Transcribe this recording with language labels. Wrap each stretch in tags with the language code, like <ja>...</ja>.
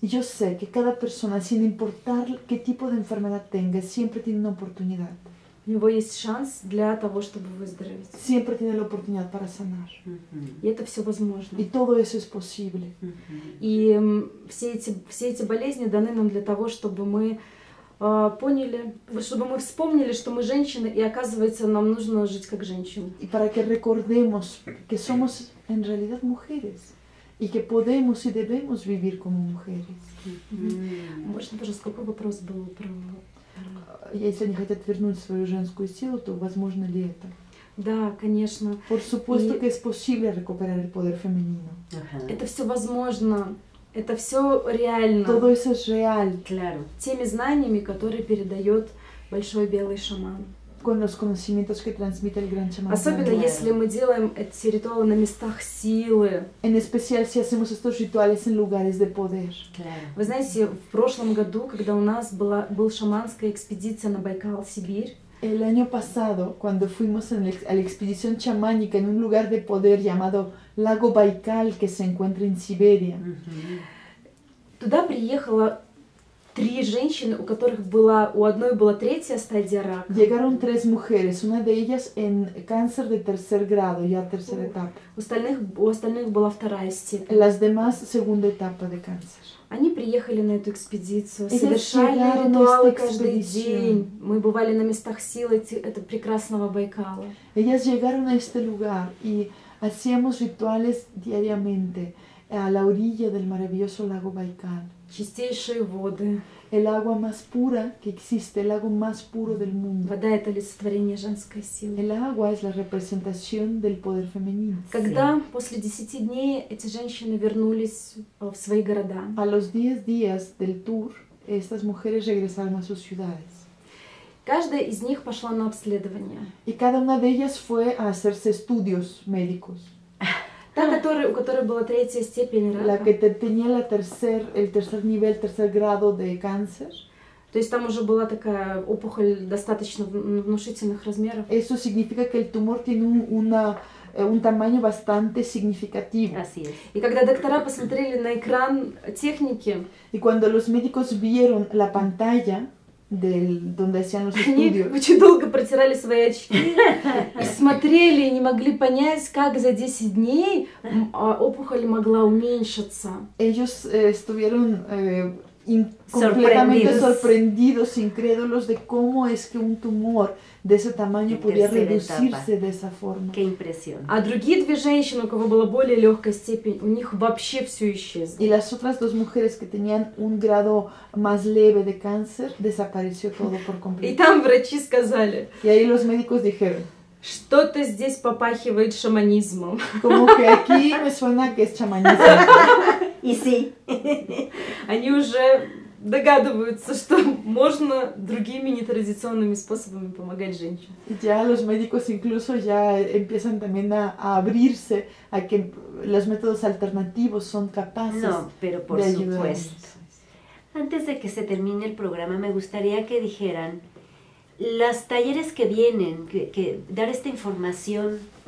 <es>Yo sé que cada persona, sin importar qué tipo de enfermedad tenga, siempre tiene una oportunidad.</es> <ru>У него есть шанс для того, чтобы выздороветь.</ru> <es>Siempre tiene la oportunidad para sanar.</es> <ru>И это все возможно.</ru> <es>Y todo eso es posible.</es> <ru>И все эти болезни даны нам для того, чтобы мы поняли, чтобы мы вспомнили, что мы женщины, и оказывается, нам нужно жить как женщины.</ru> <es>Y para que recordemos que somos en realidad mujeres y que podemos y debemos vivir como mujeres.</es> <ru>Можно, пожалуйста, какой вопрос был про... Если они хотят вернуть свою женскую силу, то возможно ли это? Да, конечно.</ru> <es>Por supuesto que es posible recuperar el poder femenino.</es> <ru>Это все возможно. Это все реально.</ru> <es>Todo eso es real. Claro.</es> <ru>Теми знаниями, которые передает большой белый шаман.</ru> <es>Con los conocimientos que transmite el gran chamán.</es> <ru>Особенно если мы делаем эти ритуалы на местах силы.</ru> <es>En especial si hacemos estos rituales en lugares de poder. Claro.</es> <ru>Вы знаете, в прошлом году, когда у нас был шаманская экспедиция на Байкал, Сибирь.</ru> <es>El año pasado, cuando fuimos a la expedición chamánica en un lugar de poder llamado Lago Baikal, que se encuentra en Siberia.</es> <ru>Туда приехало Три женщины, у которых была, у одной была третья стадия рака.</ru> <es>Llegaron tres mujeres, una de ellas en cáncer de tercer grado, ya tercera etapa.</es> <ru>У остальных была вторая степень.</ru> <es>Las demás, segunda etapa de cáncer.</es> <ru>Они приехали на эту экспедицию, совершали ритуалы каждый день. Мы бывали на местах силы этого прекрасного Байкала.</ru> <es>Ellas llegaron a este lugar y hacíamos rituales diariamente a la orilla del maravilloso lago Baikal.</es> <ru>Чистейшие воды.</ru> <es>El agua más pura que existe, el lago más puro del mundo.</es> <ru>Вода — это олицетворение женской силы.</ru> <es>El agua es la representación del poder femenino.</es> <ru>Когда после 10 дней эти женщины вернулись в свои города?</ru> <es>A los 10 días del tour, estas mujeres regresaron a sus ciudades.</es> <ru>Каждая из них пошла на обследование.</ru> <es>Y cada una de ellas fue a hacerse estudios médicos.</es> <ru>Та, у которой была третья степень рака.</ru> <es>La que tenía la tercer, el tercer nivel, tercer grado de cáncer.</es> <ru>То есть там уже была такая опухоль достаточно внушительных размеров.</ru> <es>Eso significa que el tumor tiene un tamaño bastante significativo. Así es.</es> <ru>И когда доктора посмотрели на экран техники,</ru> <es>y cuando los médicos vieron la pantalla del donde hacían los estudios.</es> <ru>Они очень долго протирали свои очки, смотрели и не могли понять, как за 10 дней опухоль могла уменьшиться.</ru> <es>Ellos estuvieron completamente sorprendidos, incrédulos de cómo es que un tumor de ese tamaño podía reducirse de esa forma. Qué impresión.</es> <ru>А другие две женщины, у кого была более легкая степень, у них вообще все исчезло.</ru> <es>Y las otras dos mujeres que tenían un grado más leve de cáncer desapareció todo por completo.</es> <ru>И там врачи сказали.</ru> <es>Y ahí los médicos dijeron.</es> <ru>Что-то здесь попахивает шаманизмом.</ru> <es>Como que aquí me suena que es chamanismo. И sí.</es> <ru>Они уже догадываются, что можно другими нетрадиционными способами помогать женщинам.</ru> <es>Ya los médicos incluso ya empiezan también a abrirse a que los métodos alternativos son capaces. No, pero por supuesto. Antes de que se termine el programa, me gustaría que dijeran los talleres que vienen, que dar esta información.</es>